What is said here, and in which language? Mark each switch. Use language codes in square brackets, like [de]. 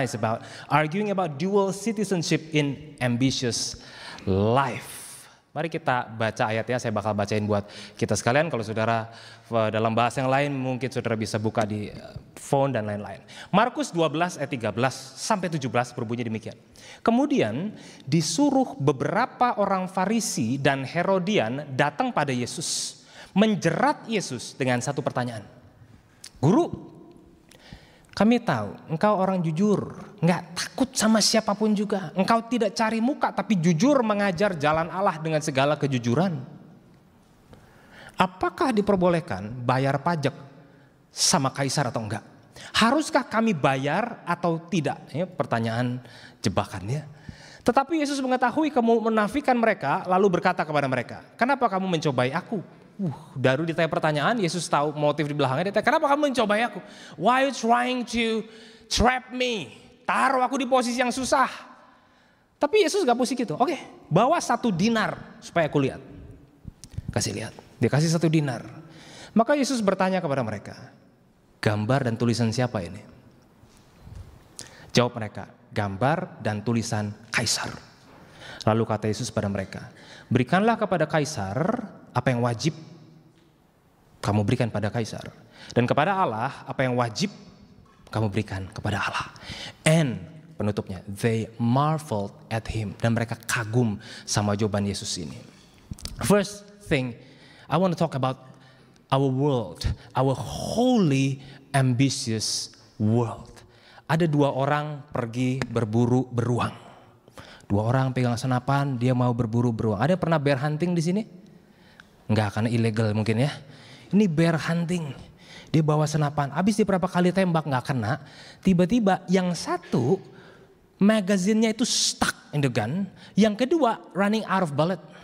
[en] It's about arguing about dual citizenship in ambitious life. [id] Mari kita baca ayatnya, saya bakal bacain buat kita sekalian. Kalau saudara dalam bahasa yang lain, mungkin saudara bisa buka di phone dan lain-lain. Markus 12 ayat 13 sampai 17 berbunyi demikian. Kemudian disuruh beberapa orang Farisi dan Herodian datang pada Yesus, menjerat Yesus dengan satu pertanyaan. Guru, kami tahu engkau orang jujur, enggak takut sama siapapun juga. Engkau tidak cari muka tapi jujur mengajar jalan Allah dengan segala kejujuran. Apakah diperbolehkan bayar pajak sama kaisar atau enggak? Haruskah kami bayar atau tidak? Ini pertanyaan jebakannya. Tetapi Yesus mengetahui kamu menafikan mereka, lalu berkata kepada mereka, kenapa kamu mencobai aku? Baru ditanya pertanyaan, Yesus tahu motif di belakangnya. Dia tanya, kenapa kamu mencobai aku? [en] Why are you trying to trap me? [id] Taruh aku di posisi yang susah. Tapi Yesus gak pusing gitu. Oke, bawa satu dinar supaya aku lihat. Kasih lihat. Dia kasih satu dinar. Maka Yesus bertanya kepada mereka, gambar dan tulisan siapa ini? Jawab mereka, gambar dan tulisan kaisar. Lalu kata Yesus kepada mereka, berikanlah kepada kaisar apa yang wajib kamu berikan pada kaisar, dan kepada Allah apa yang wajib kamu berikan kepada Allah. [en] And [id] penutupnya, [en] they marveled at him. [id] Dan mereka kagum sama jawaban Yesus ini. [en] First thing, I want to talk about our world, our holy ambitious world. [id] Ada dua orang pergi berburu beruang. Dua orang pegang senapan, dia mau berburu beruang. Ada yang pernah [en] bear hunting [id] di sini? Enggak, karena ilegal mungkin ya. Ini [en] bear hunting. [id] Dia bawa senapan, habis dia berapa kali tembak enggak kena. Tiba-tiba yang satu [en] magazine-nya itu stuck in the gun, [id] yang kedua [en] running out of bullet.